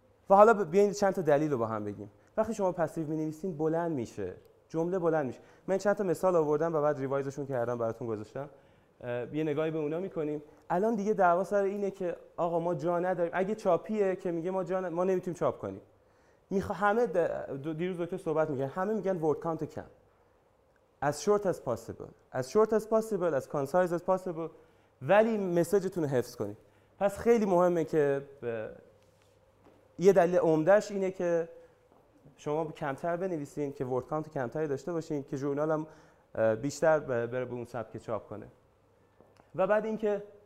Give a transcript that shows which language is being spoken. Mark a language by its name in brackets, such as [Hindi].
[Persian] و حالا بیاین چند تا دلیل رو با هم بگیم. وقتی شما پسیو مینویسین بلند میشه، جمله بلند میشه. من چند تا مثال آوردم و بعد ریوایزشون کردم براتون گذاشتم. یه نگاهی به اونا میکنیم. الان دیگه دعوا سر اینه که آقا ما جا نداریم. اگه چاپیه که میگه ما نمیتونیم چاپ کنیم. همه دیروز دکتر صحبت میکرد، همه میگن ورد کانت کم. [English] As short as possible, as concise as possible. [Persian] ولی مسیجتون رو حفظ کنید. پس خیلی مهمه که یه دلیل عمدهش اینه که شما کمتر بنویسین که ورد کانت کمتری داشته باشین، که جورنال هم بیشتر بره به اون سبک چاپ کنه. و بعد اینکه